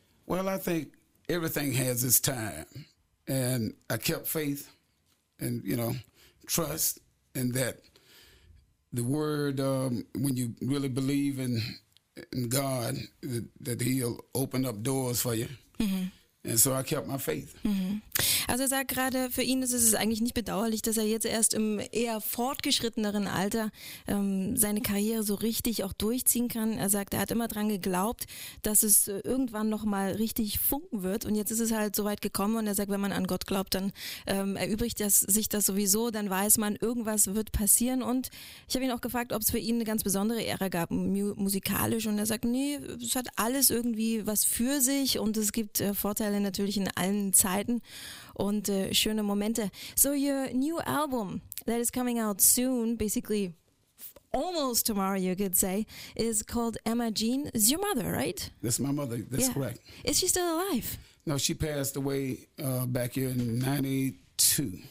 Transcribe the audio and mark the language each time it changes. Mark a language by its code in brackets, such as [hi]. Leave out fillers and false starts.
[en] Well, I think everything has its time. And I kept faith. And, you know, trust, and that the word, when you really believe in God, that he'll open up doors for you. Mm-hmm. And so I kept my faith. Mm-hmm. [de] Also er sagt gerade, für ihn ist es eigentlich nicht bedauerlich, dass er jetzt erst im eher fortgeschritteneren Alter seine Karriere so richtig auch durchziehen kann. Er sagt, er hat immer dran geglaubt, dass es irgendwann nochmal richtig funken wird. Und jetzt ist es halt so weit gekommen. Und er sagt, wenn man an Gott glaubt, dann erübrigt sich das sowieso. Dann weiß man, irgendwas wird passieren. Und ich habe ihn auch gefragt, ob es für ihn eine ganz besondere Ära gab, musikalisch. Und er sagt, nee, es hat alles irgendwie was für sich. Und es gibt Vorteile natürlich in allen Zeiten und schöne Momente. [en] So your new album that is coming out soon, basically almost tomorrow, you could say, is called Emma Jean. It's your mother, right? That's my mother. That's correct. Is she still alive? No, she passed away back here in 92.